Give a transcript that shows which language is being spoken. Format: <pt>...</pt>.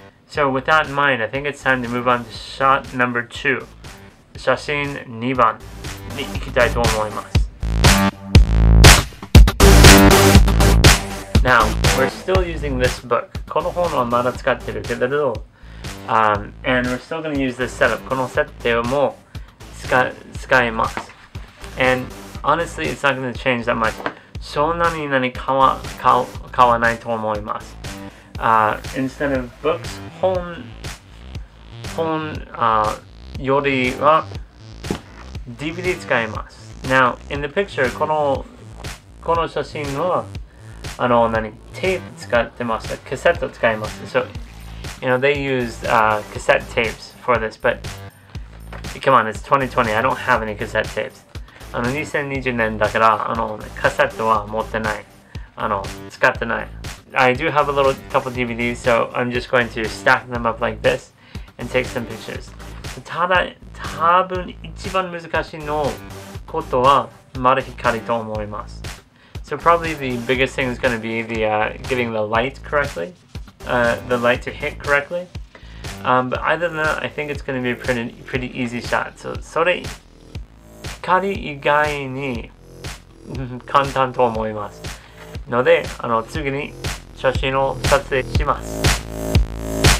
<en>So, with that in mind, I think it's time to move on to shot number two.</en> <ja>写真2番に行きたいと思います。</ja> <en>Now, we're still using this book.</en> <ja>この本はまだ使ってるけれど、</ja> <en>and we're still going to use this setup.</en> <ja>この設定も使います。</ja> <en>And honestly, it's not going to change that much.</en> <ja>そんなに何買わないと思います。</ja> <en>Instead of books,</en> <ja>本、よりは DVD 使います。 Now, in the picture, この写真はあの何テープ使ってました。カセット使います。</ja> <en>So, you know, they used cassette tapes for this, but come on, it's 2020. I don't have any cassette tapes.</en> <ja>あの2020年だからあのカセットは持ってない。あの使ってない。</ja> <en>I do have a little couple DVDs, so I'm just going to stack them up like this and take some pictures.</en> <ja>ただ、多分一番難しいのことはまだ光と思います。</ja> <en>So probably the biggest thing is going to be the getting the light correctly, the light to hit correctly. But other than that, I think it's going to be a pretty easy shot.</en> <ja>So それ、光以外に簡単と思います。ので、あの次に写真を撮影します。</ja>